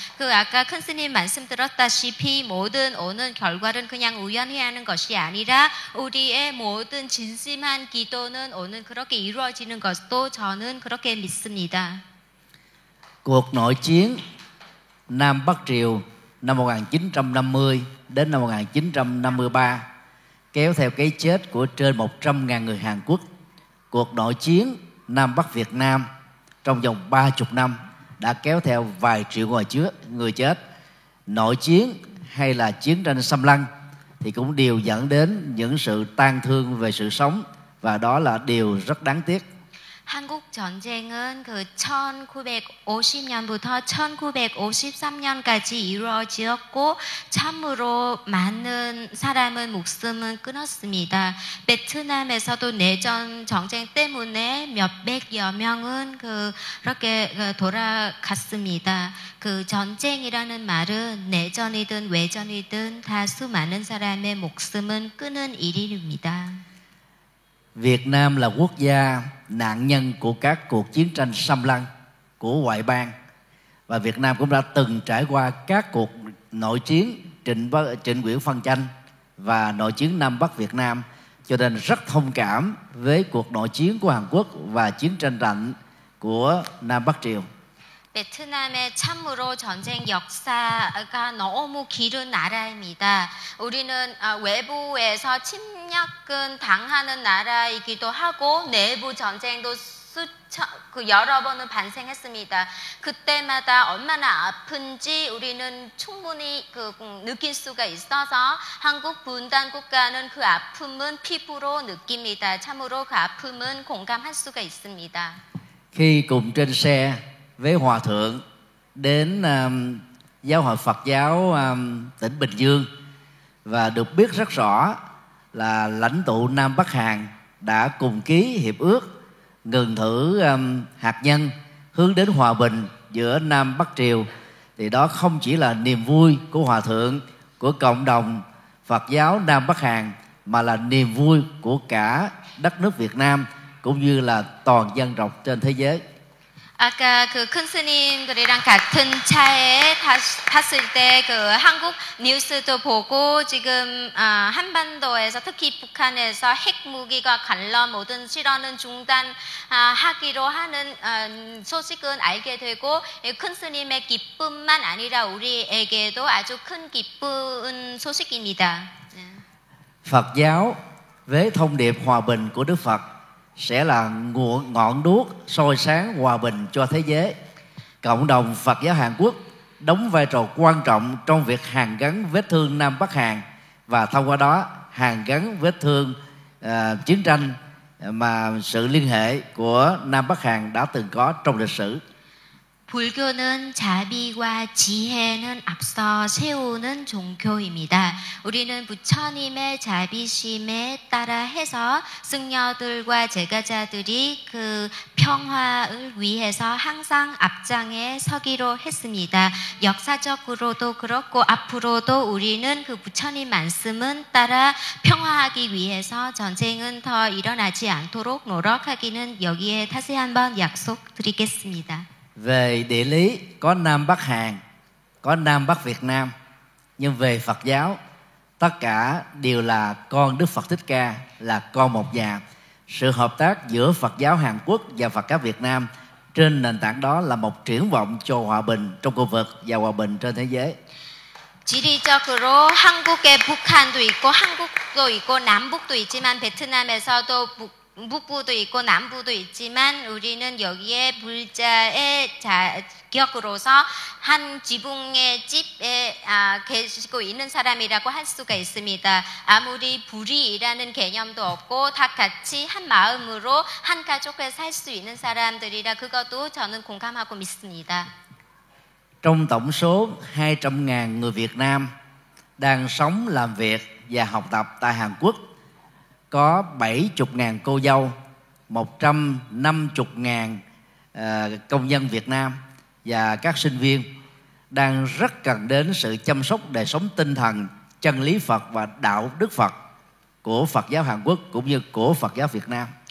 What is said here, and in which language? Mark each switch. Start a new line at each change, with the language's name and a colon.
Korean: 그 아까 큰 스님 말씀 들었다시피 모든 오는 결과는 그냥 우연히 하는 것이 아니라 우리의 모든 진심한 기도는 오는 그렇게 이루어지는 것도 저는 그렇게 믿습니다. 국 내전 남북
Vietnamese: triều năm 1950 đến năm 1953 kéo theo cái chết của trên 100.000 người Hàn Quốc. Cuộc nội chiến Nam Bắc Việt Nam trong vòng 30 năm đã kéo theo vài triệu người chết. Nội chiến hay là chiến tranh xâm lăng thì cũng đều dẫn đến những sự tang thương về sự sống, và đó là điều rất đáng tiếc.
Korean: 한국 전쟁은 그 1950년부터 1953년까지 이루어졌고 참으로 많은 사람은 목숨을 끊었습니다. 베트남에서도 내전 전쟁 때문에 몇백여 명은 그렇게 돌아갔습니다. 그 전쟁이라는 말은 내전이든 외전이든 다 수많은 사람의 목숨을 끊는 일입니다.
Vietnamese: Việt Nam là quốc gia nạn nhân của các cuộc chiến tranh xâm lăng của ngoại bang, và Việt Nam cũng đã từng trải qua các cuộc nội chiến Trịnh Nguyễn Phân Chanh và nội chiến Nam Bắc Việt Nam, cho nên rất thông cảm với cuộc nội chiến của Hàn Quốc và chiến tranh lạnh của Nam Bắc Triều.
Korean: 베트남의 참으로 전쟁 역사가 너무 길은 나라입니다. 우리는 외부에서 침략은 당하는 나라이기도 하고 내부 전쟁도 여러 번은 발생했습니다. 그때마다 얼마나 아픈지 우리는 충분히 느낄 수가 있어서 한국 분단 국가는 그 아픔은 피부로 느낍니다. 참으로 그 아픔은 공감할 수가 있습니다.
Vietnamese: Khi cùng trên xe với Hòa Thượng đến Giáo hội Phật giáo tỉnh Bình Dương, và được biết rất rõ là lãnh tụ Nam Bắc Hàn đã cùng ký hiệp ước ngừng thử hạt nhân hướng đến hòa bình giữa Nam Bắc Triều, thì đó không chỉ là niềm vui của Hòa Thượng, của cộng đồng Phật giáo Nam Bắc Hàn, mà là niềm vui của cả đất nước Việt Nam cũng như là toàn dân tộc trên thế giới.
Korean: 아까 그 큰 스님들이랑 같은 차에 탔을 때 그 한국 뉴스도 보고 지금 한반도에서 특히 북한에서 핵무기가 갈라 모든 실험은 중단하기로 하는 소식은 알게 되고 큰 스님의 기쁨만 아니라 우리에게도 아주 큰 기쁜 소식입니다.
Vietnamese: Phật giáo với thông điệp hòa bình của Đức Phật sẽ là ngọn đuốc soi sáng hòa bình cho thế giới. Cộng đồng Phật giáo Hàn Quốc đóng vai trò quan trọng trong việc hàn gắn vết thương Nam Bắc Hàn, và thông qua đó hàn gắn vết thương chiến tranh mà sự liên hệ của Nam Bắc Hàn đã từng có trong lịch sử.
Korean: 불교는 자비와 지혜는 앞서 세우는 종교입니다. 우리는 부처님의 자비심에 따라 해서 승려들과 제가자들이 그 평화를 위해서 항상 앞장에 서기로 했습니다. 역사적으로도 그렇고 앞으로도 우리는 그 부처님 말씀은 따라 평화하기 위해서 전쟁은 더 일어나지 않도록 노력하기는 여기에 다시 한번 약속드리겠습니다.
Vietnamese: Về địa lý có Nam Bắc Hàn, có Nam Bắc Việt Nam, nhưng về Phật giáo tất cả đều là con Đức Phật Thích Ca, là con một nhà. Sự hợp tác giữa Phật giáo Hàn Quốc và Phật giáo Việt Nam trên nền tảng đó là một triển vọng cho hòa bình trong khu vực và hòa bình trên thế giới.
Korean: 지리적으로 한국에 북한도 있고 한국도 있고 남북도 있지만 베트남에서도 북부도 있고 남부도 있지만 우리는 여기에 불자의 자격으로서 한 지붕의 집에 계시고 있는 사람이라고 할 수가 있습니다. 아무리 불이라는 개념도 없고 다 같이 한 마음으로 한 가족에 살 수 있는 사람들이라 그것도 저는 공감하고 믿습니다.
Vietnamese: Trong tổng số 200.000 người Việt Nam đang sống, làm việc và học tập tại Hàn Quốc, có 70.000 cô dâu, 150.000 công nhân Việt Nam và các sinh viên đang rất cần đến sự chăm sóc đời sống tinh thần, chân lý Phật và đạo đức Phật của Phật giáo Hàn Quốc cũng như của Phật giáo Việt Nam.